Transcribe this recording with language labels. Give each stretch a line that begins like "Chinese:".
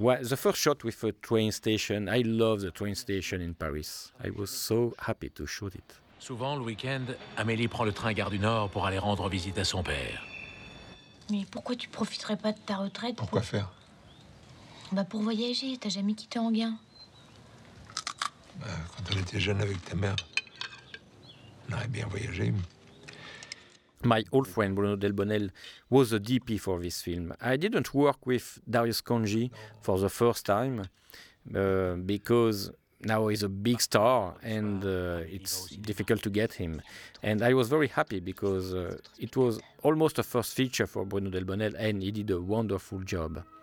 English: Well, the first shot with a train station, I love the train station in Paris. I was so happy to shoot it.
French: Souvent, le week-end, Amélie prend le train à Gare du Nord pour aller rendre visite à son père. Mais pourquoi tu profiterais pas de ta retraite? Pourquoi faire? Bah pour voyager, t'as jamais quitté Enghien. Quand on était jeune avec ta mère, on aurait bien voyagé.
English: My old friend Bruno Delbonnel was a DP for this film. I didn't work with Darius Kanji for the first time because now he's a big star and it's difficult to get him. And I was very happy because it was almost a first feature for Bruno Delbonnel and he did a wonderful job.